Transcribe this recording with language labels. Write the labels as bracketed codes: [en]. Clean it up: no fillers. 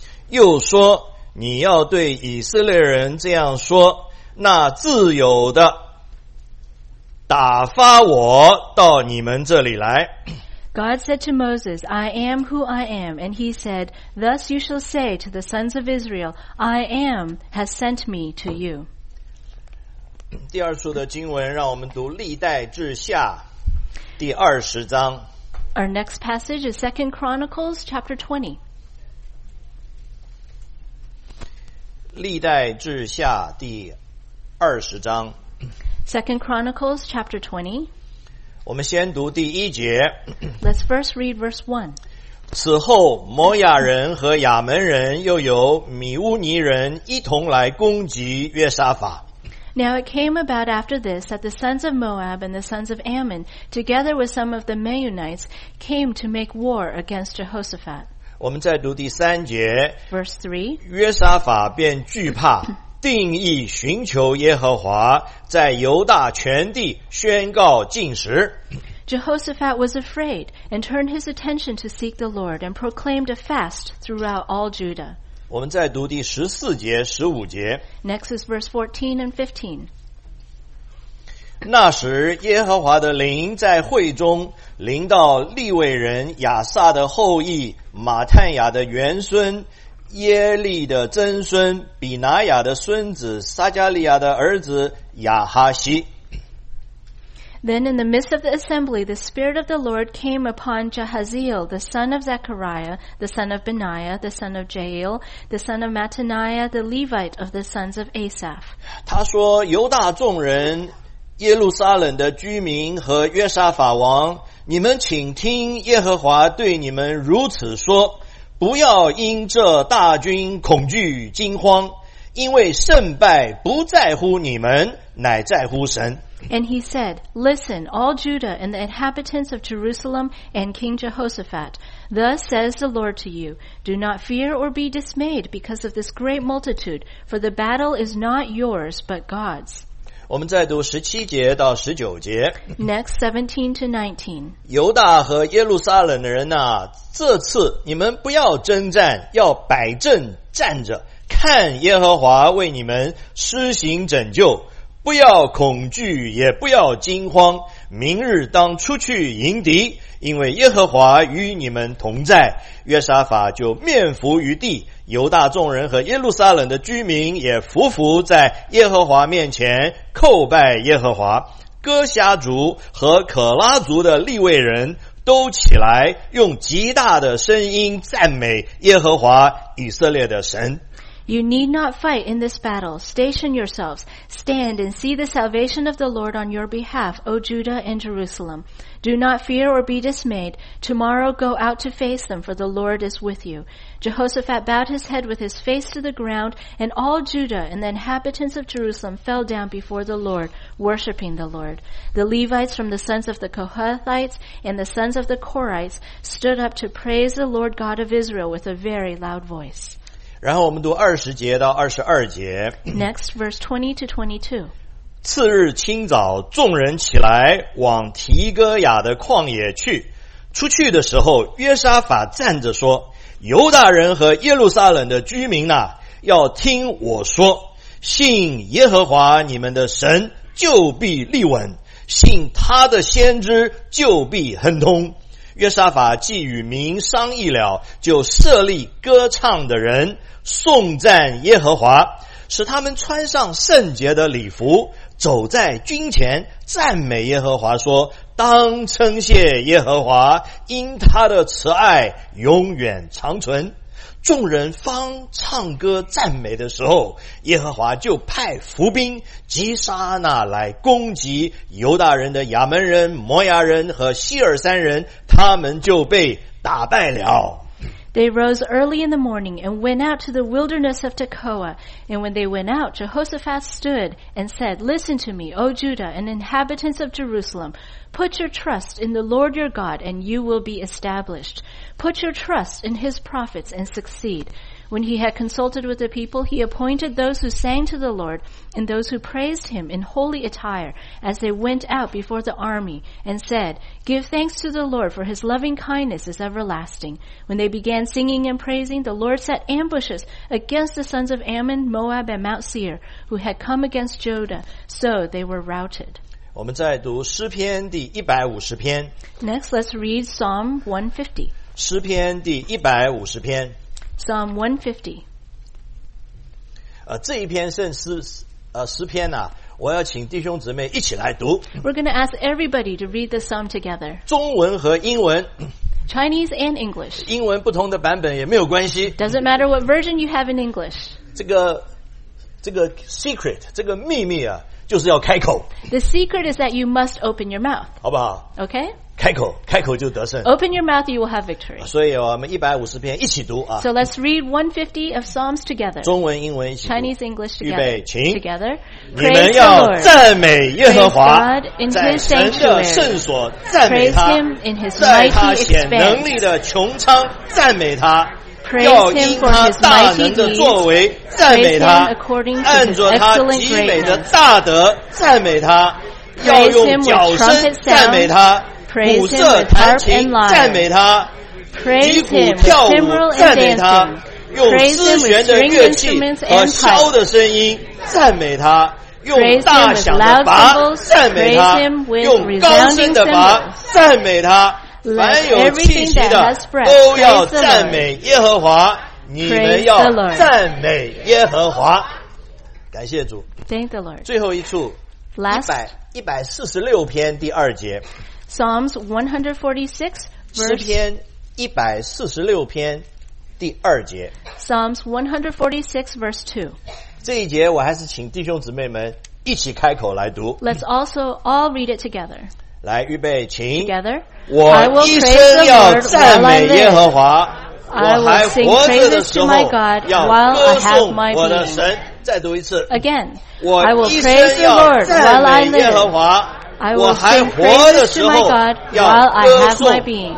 [zh] 又说，你要对以色列人这样说，那自有的打发我到你们这里来。 [en] God said to Moses, I am who I am. And he said, Thus you shall say to the sons of Israel, I am has sent me to you. [zh] 第二处的经文让我们读历代志下第二十章。 [en] Our next passage is 2 Chronicles chapter 20. [zh] 历代志下第二十章。 [en] 2 Chronicles chapter 20. [zh] 我们先读第一节。 [en] Let's first read verse 1. [zh] 此后摩亚人和亚门人又由米乌尼人一同来攻击约沙法。 [en] Now it came about after this that the sons of Moab and the sons of Ammon, together with some of the Meunites, came to make war against Jehoshaphat. [zh] 我们再读第三节。 [en] Verse 3. [zh] 约沙法便惧怕。定义寻求耶和华，在犹大全地宣告禁食。 [en] Jehoshaphat was afraid and turned his attention to seek the Lord and proclaimed a fast throughout all Judah. [zh] 我们再读第十四节、十五节。 [en] Next is verse 14 and 15. [zh] 那时耶和华的灵在会中临到利未人亚撒的后裔马探雅的元孙耶利的曾孙比拿雅的孙子撒加利亚的儿子亚哈西。 [en] Then in the midst of the assembly, the Spirit of the Lord came upon Jahaziel, the son of Zechariah, the son of Benaiah, the son of Jael, the son of Mattaniah, the Levite of the sons of Asaph. [zh] 他说犹大众人耶路撒冷的居民和约沙法王你们请听耶和华对你们如此说不要因这大军恐惧惊慌，因为胜败不在乎你们，乃在乎神。 [en] And he said, Listen, all Judah and the inhabitants of Jerusalem and King Jehoshaphat, Thus says the Lord to you, Do not fear or be dismayed because of this great multitude, for the battle is not yours but God's. [zh] 我们再读十七节到十九节。 [en] Next, 17 to 19. [zh] 犹大和耶路撒冷的人啊，这次你们不要征战，要摆阵站着，看耶和华为你们施行拯救，不要恐惧，也不要惊慌。明日当出去迎敌，因为耶和华与你们同在。约沙法就面伏于地，犹大众人和耶路撒冷的居民也伏伏在耶和华面前，叩拜耶和华。哥瞎族和可拉族的利未人都起来，用极大的声音赞美耶和华以色列的神。 [en] You need not fight in this battle. Station yourselves. Stand and see the salvation of the Lord on your behalf, O Judah and Jerusalem. Do not fear or be dismayed. Tomorrow go out to face them, for the Lord is with you. Jehoshaphat bowed his head with his face to the ground, and all Judah and the inhabitants of Jerusalem fell down before the Lord, worshiping the Lord. The Levites from the sons of the Kohathites and the sons of the Korites stood up to praise the Lord God of Israel with a very loud voice. [zh] 然后我们读二十节到二十二节。 [en] Next, verse 20 to 22. [zh] 次日清早，众人起来往提哥雅的旷野去。出去的时候，约沙法站着说：“犹大人和耶路撒冷的居民呐，要听我说，信耶和华你们的神就必立稳，信他的先知就必亨通。” 约沙法既与民商议了，就设立歌唱的人，颂赞耶和华，使他们穿上圣洁的礼服，走在军前，赞美耶和华，说：“当称谢耶和华，因他的慈爱永远长存。” 众人方唱歌赞美的时候，耶和华就派伏兵击杀那来攻击犹大人的亚门人、摩亚人和希尔三人，他们就被打败了。 [en] They rose early in the morning and went out to the wilderness of Tekoa. And when they went out, Jehoshaphat stood and said, Listen to me, O Judah and inhabitants of Jerusalem. Put your trust in the Lord your God and you will be established. Put your trust in his prophets and succeed. When he had consulted with the people, he appointed those who sang to the Lord and those who praised him in holy attire as they went out before the army and said, Give thanks to the Lord, for his loving kindness is everlasting. When they began singing and praising, the Lord set ambushes against the sons of Ammon, Moab, and Mount Seir, who had come against Judah. So they were routed. [zh] 我们再读诗篇第150篇。 [en] Next, let's read Psalm 150. [zh] 诗篇第150篇。 [en] Psalm 150. [zh] 这一篇圣诗诗篇呢、啊、我要请弟兄姊妹一起来读。 [en] We're going to ask everybody to read the Psalm together. [zh] 中文和英文。 [en] Chinese and English. [zh] 英文不同的版本也没有关系。 [en] Doesn't matter what version you have in English. [zh] 这个 secret, 这个秘密啊就是要开口。 [en] The secret is that you must open your mouth. [zh] 好不好 [en] ?Okay? [zh] 开口开口就得胜。 [en] Open your mouth, you will have victory. [zh] 所以我们150篇一起读啊。 [en] So let's read 150 of Psalms together. [zh] 中文英文一起读。 [en] Chinese, English together. [zh] 预备请。 [en] Together. [zh] 你们要赞美耶和华。在神的圣所赞美他。 [en] Praise him in his mighty expanse. [zh] 在他显能力的穹苍赞美他。 [en] Praise him for his mighty deeds. [zh] 要因他大能的作为赞美他，按着他极美的大德赞美他，要用脚声赞美他，鼓瑟弹琴赞美他，击鼓跳舞赞美他，用丝弦的乐器和箫的声音赞美他，用大响的拔赞美他，用高声的拔赞美他。凡有气息的都要赞美耶和华你们要赞美耶和华感谢主 [en] Thank the Lord. [zh] 最后一处 146篇第二节 [en] Psalms 146 verse [zh] 诗篇146篇第二节 [en] Psalms 146 verse 2 [zh] 这一节我还是请弟兄姊妹们一起开口来读 [en] Let's also all read it together [zh] 来预备请 [en] Together [zh] 我一生要赞美耶和华 [en] I will sing praises to my God while I have my being. [zh] 再读一次 [en] Again, I will praise the Lord while I live. I will sing praises to my God while I have my being.